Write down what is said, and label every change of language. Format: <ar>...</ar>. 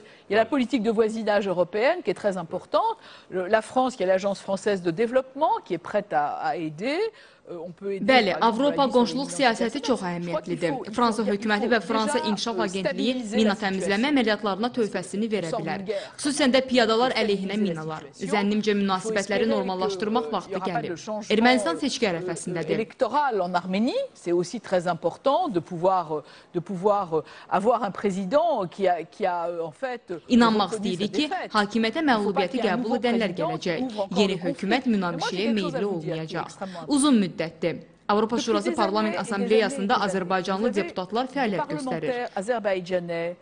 <fr>La politique de voisinage européenne qui est très importante. La France, qui a l'Agence française de développement, qui est prête à aider.</fr> <az>Bəli, Avropa qonşuluq siyasəti çox əhəmiyyətlidir. Fransa hökuməti və Fransa İnkişaf Agentliyi mina təmizləmə əməliyyatlarına töhfəsini verə bilər. Xüsusən də piyadalar əleyhinə minalar. Zənnimcə münasibətləri normallaşdırmaq vaxtı gəlib. Ermənistan seçki ərəfəsindədir.</az> <fr>Electoral en Arménie, c'est aussi très important de pouvoir avoir un président qui a en fait</fr> <az>inanmaq istəyir ki, hakimiyyətə məğlubiyyəti qəbul edənlər gələcək. Yeni hökumət münaqişəyə meyilli olmayacaq. Uzun müddətdir. Avropa Şurası Parlament Assambleyasında Azərbaycanlı deputatlar fəaliyyət göstərir.</az>